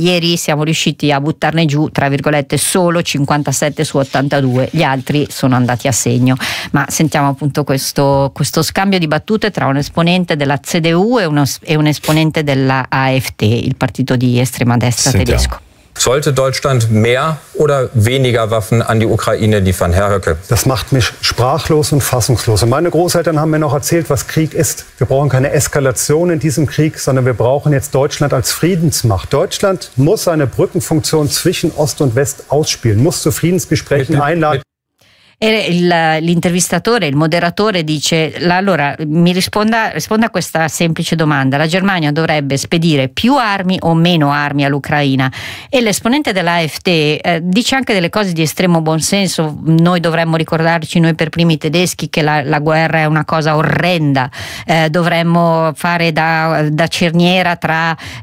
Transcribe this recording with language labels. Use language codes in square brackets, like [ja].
[it] Ieri siamo riusciti a buttarne giù tra virgolette solo 57 su 82, gli altri sono andati a segno. Ma sentiamo appunto questo scambio di battute tra un esponente della CDU e un esponente della AfD, il partito di estrema destra tedesco. [de] Sollte Deutschland mehr oder weniger Waffen an die Ukraine liefern, Herr Höcke? Das macht mich sprachlos und fassungslos. Und meine Großeltern haben mir noch erzählt, was Krieg ist. Wir brauchen keine Eskalation in diesem Krieg, sondern wir brauchen jetzt Deutschland als Friedensmacht. Deutschland muss seine Brückenfunktion zwischen Ost und West ausspielen, muss zu Friedensgesprächen einladen. [it] E l'intervistatore, il moderatore dice, allora mi risponda a questa semplice domanda: la Germania dovrebbe spedire più armi o meno armi all'Ucraina? E l'esponente dell'AfD dice anche delle cose di estremo buonsenso: noi dovremmo ricordarci, noi per primi tedeschi, che la guerra è una cosa orrenda, dovremmo fare da cerniera tra